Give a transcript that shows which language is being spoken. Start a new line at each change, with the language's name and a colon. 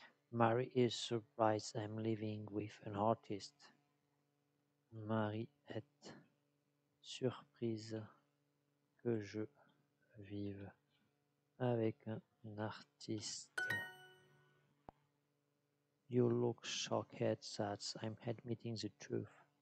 English: Marie is surprised I'm living with an artist.
French: Marie est surprise que je vive avec un artiste.
English: You look shocked that I'm admitting the truth.